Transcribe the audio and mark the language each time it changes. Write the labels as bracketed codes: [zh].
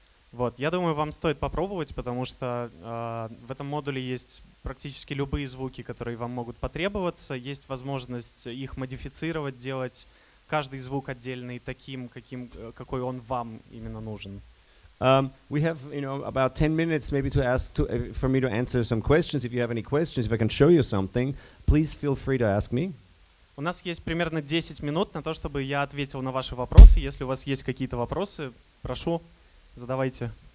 [ru] Вот, я думаю, вам стоит попробовать, потому что в этом модуле есть практически любые звуки, которые вам могут потребоваться. Есть возможность их модифицировать, делать каждый звук отдельный таким, каким, какой он вам именно нужен. [en] We have, you know, about 10 minutes maybe to ask to, for me to answer some questions. If you have any questions, if I can show you something, please feel free to ask me. [ru] У нас есть примерно 10 минут на то, чтобы я ответил на ваши вопросы. Если у вас есть какие-то вопросы, прошу, задавайте.